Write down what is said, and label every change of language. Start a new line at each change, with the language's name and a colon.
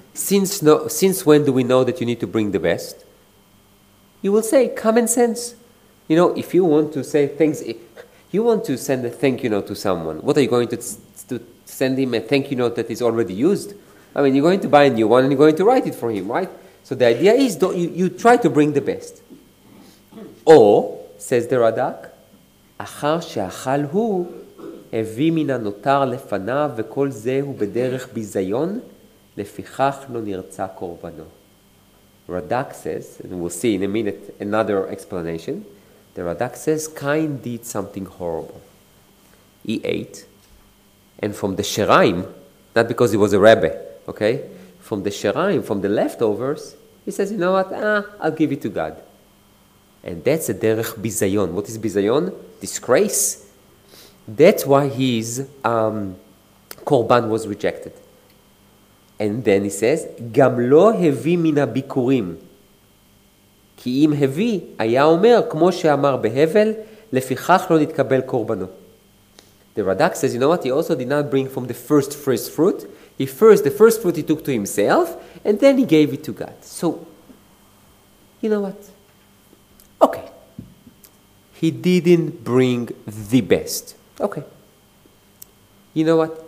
English: Since when do we know that you need to bring the best? You will say, common sense. You know, if you want to say thanks, you want to send a thank you note to someone, what are you going to send him a thank you note that is already used? I mean, you're going to buy a new one and you're going to write it for him, right? So the idea is, you try to bring the best. Or, says the Radak,
Hebrew: אחר שאכל הוא, הביא מן הנותר לפניו, וכל זה הוא בדרך ביזיון, לפיכך לא נרצה קורבנו.
English: Radak says, and we'll see in a minute another explanation, the Radak says, Cain did something horrible. He ate, and from the sheraim, not because he was a rebbe, okay? From the sheraim, from the leftovers, he says, you know what? I'll give it to God. And that's a derech bizayon. What is bizayon? Disgrace. That's why his korban was rejected. And then he says,
Hebrew: גם לא הביא מן הביקורים. כי אם הביא, היה אומר, כמו שאמר בהבל, לפיכך לא נתקבל קורבנו.
English: The Radak says, you know what? He also did not bring from the first fruit. The first fruit he took to himself, and then he gave it to God. So, you know what? Okay. He didn't bring the best. Okay. You know what?